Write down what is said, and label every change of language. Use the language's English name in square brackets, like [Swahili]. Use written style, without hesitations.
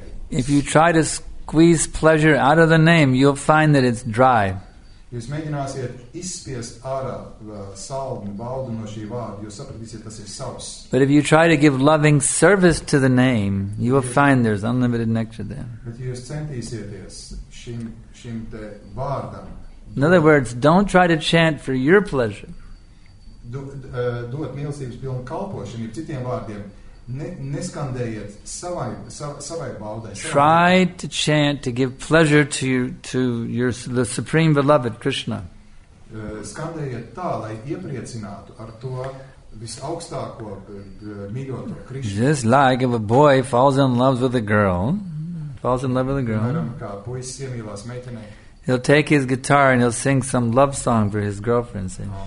[English] If you try to squeeze pleasure out of the name, you'll find that it's dry. [Latvian] Jūs mēģināsiet izspiest ārā saldumu, baudu no šī vārda, jūs sapratīsiet, tas ir savs. [English] But if you try to give loving service to the name, you will find there's unlimited nectar there. [Latvian] Bet jūs centīsieties šim te vārdam. [English] In other words, don't try to chant for your pleasure. [Latvian] Dot mīlestības pilnu kalpošanu, ir citiem vārdiem, neskandējiet savai baudai. [English] Try to chant to give pleasure to the supreme beloved Krishna. [Latvian] Skandējiet tā, lai iepriecinātu ar to visaugstāko mīļoto Krishna. [English] Just like if a boy falls in love with a girl. [Latvian] Kā puisis iemīlās meitenē. [English] He'll take his guitar and he'll sing some love song for his girlfriend. See?